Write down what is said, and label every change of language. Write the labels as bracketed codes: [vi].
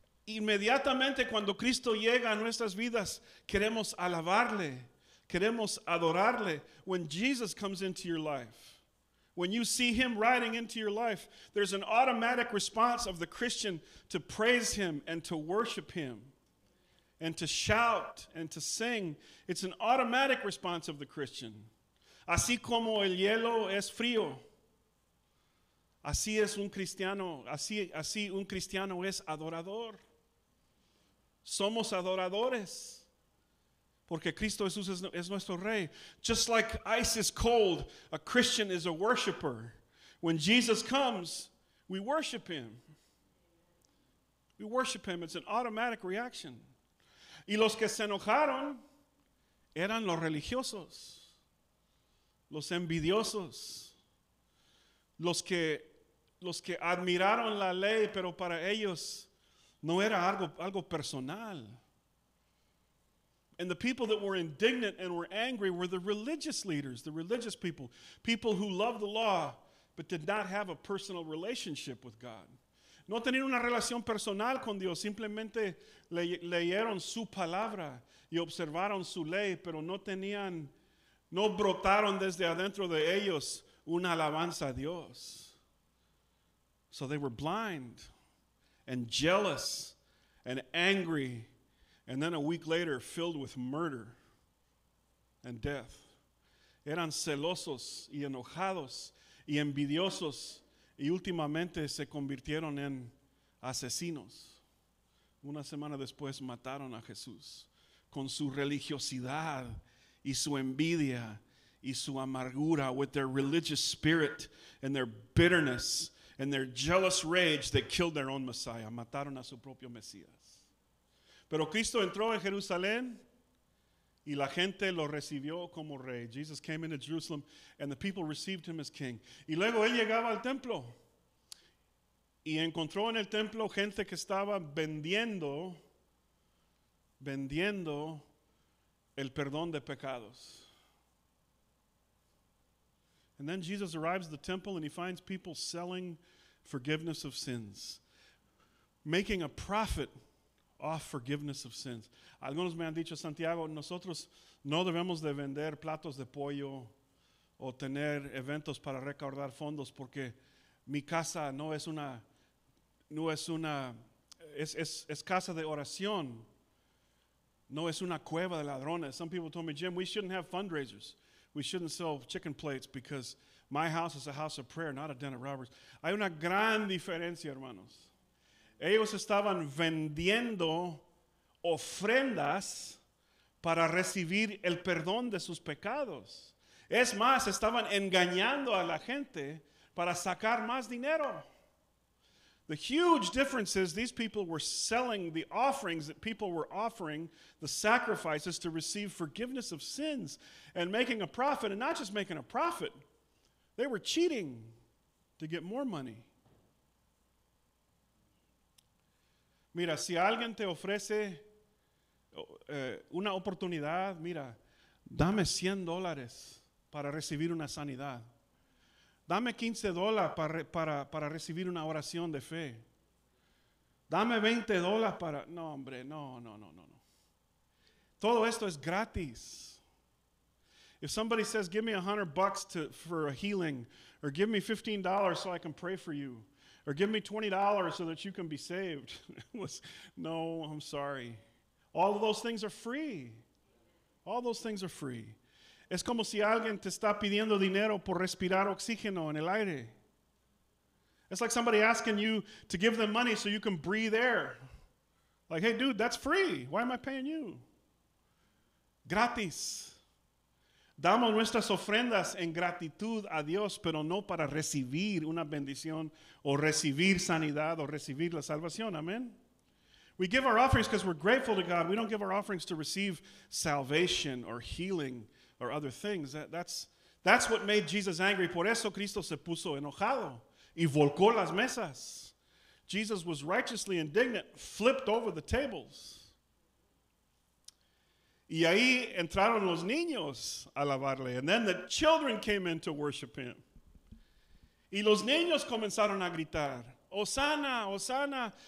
[es] Inmediatamente cuando Cristo llega a nuestras vidas, queremos alabarle, queremos adorarle. [en] When Jesus comes into your life, when you see him riding into your life, there's an automatic response of the Christian to praise him and to worship him. And to shout and to sing, it's an automatic response of the Christian. [es] Así como el hielo es frío, así es un cristiano, así un cristiano es adorador. Somos adoradores, porque Cristo Jesús es nuestro rey. [en] Just like ice is cold, a Christian is a worshiper. When Jesus comes, we worship him. We worship him. It's an automatic reaction. [es] Y los que se enojaron eran los religiosos, los envidiosos, los que los que admiraron la ley, pero para ellos no era algo personal. [en] And the people that were indignant and were angry were the religious leaders, the religious people, people who loved the law but did not have a personal relationship with God. [es] No tenían una relación personal con Dios, simplemente leyeron su palabra y observaron su ley, pero no brotaron desde adentro de ellos una alabanza a Dios. [en] So they were blind and jealous and angry, and then a week later filled with murder and death. [es] Eran celosos y enojados y envidiosos, y últimamente se convirtieron en asesinos. Una semana después mataron a Jesús con su religiosidad y su envidia y su amargura, [en] with their religious spirit and their bitterness and their jealous rage, they killed their own Messiah. [es] Mataron a su propio Mesías. Pero Cristo entró en Jerusalén y la gente lo recibió como rey. [en] Jesus came into Jerusalem and the people received him as king. [es] Y luego él llegaba al templo y encontró en el templo gente que estaba vendiendo el perdón de pecados. [en] And then Jesus arrives at the temple and he finds people selling forgiveness of sins, making a profit off forgiveness of sins. [es] Algunos me han dicho, Santiago, nosotros no debemos de vender platos de pollo o tener eventos para recaudar fondos, porque mi casa es casa de oración, no es una cueva de ladrones. [en] Some people told me, Jim, we shouldn't have fundraisers. We shouldn't sell chicken plates because my house is a house of prayer, not a den of robbers. [es] Hay una gran diferencia, hermanos. Ellos estaban vendiendo ofrendas para recibir el perdón de sus pecados. Es más, estaban engañando a la gente para sacar más dinero. [en] The huge difference is these people were selling the offerings that people were offering, the sacrifices to receive forgiveness of sins and making a profit, and not just making a profit. They were cheating to get more money. [es] Mira, si alguien te ofrece una oportunidad, mira, dame $100 para recibir una sanidad. Dame $15 para recibir una oración de fe. Dame $20 para... No, hombre, no. Todo esto es gratis. [en] If somebody says, give me $100 for a healing, or give me $15 so I can pray for you, or give me $20 so that you can be saved. No, I'm sorry. All of those things are free. All those things are free. [es] Es como si alguien te está pidiendo dinero por respirar oxígeno en el aire. [en] It's like somebody asking you to give them money so you can breathe air. Like, hey, dude, that's free. Why am I paying you? Gratis. [es] Damos nuestras ofrendas en gratitud a Dios, pero no para recibir una bendición o recibir sanidad o recibir la salvación. Amén. [en] We give our offerings because we're grateful to God. We don't give our offerings to receive salvation or healing or other things. That's what made Jesus angry. [es] Por eso Cristo se puso enojado y volcó las mesas. [en] Jesus was righteously indignant, flipped over the tables. [es] Y ahí entraron los niños a alabarle. [en] And then the children came in to worship him. [es] Y los niños comenzaron a gritar, Hosanna, Hosanna.